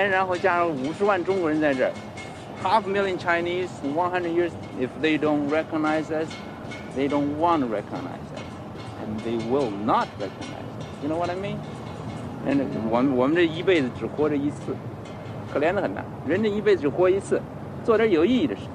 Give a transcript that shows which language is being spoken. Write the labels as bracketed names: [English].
[Chinese] 我们来这儿100多年了。100多年，然后加上50万中国人在这儿。 [English] Half a million Chinese in 100 years, if they don't recognize us, they don't want to recognize us. And they will not recognize us. You know what I mean? [Chinese] And 我们这一辈子只活着一次，可怜得很呐。人这一辈子只活一次，做点有意义的事。